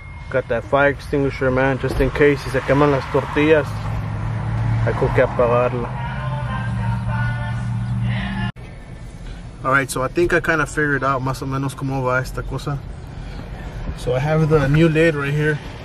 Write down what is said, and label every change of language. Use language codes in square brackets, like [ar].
[en] Got that fire extinguisher, man, just in case. [es] Si se queman las tortillas, hay que apagarla. [en] Alright, so I think I kind of figured out [es] más o menos cómo va esta cosa. [en] So I have the new lid right here.